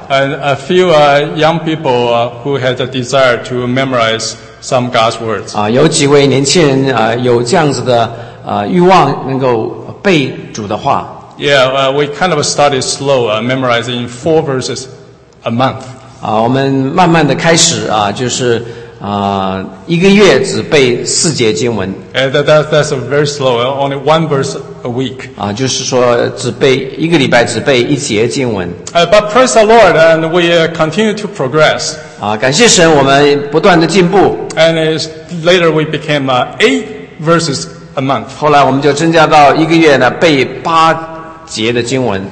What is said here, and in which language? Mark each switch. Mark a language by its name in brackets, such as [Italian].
[English] ，a few young people who had a desire to memorize. Some God's words. [Chinese] 有几位年轻人有这样子的欲望，能够背主的话。 [English] Yeah, we kind of started slow, memorizing four verses a month. [Chinese] 我们慢慢的开始就是一个月只背四节经文。 [English] That's very slow, only one verse a week. [Chinese] 就是说只背一个礼拜只背一节经文。 [English] But praise the Lord, and we continue to progress. [Chinese] 感谢神，我们不断的进步。 [English] And later we became eight verses a month. [Chinese] 后来我们就增加到一个月呢背八节的经文。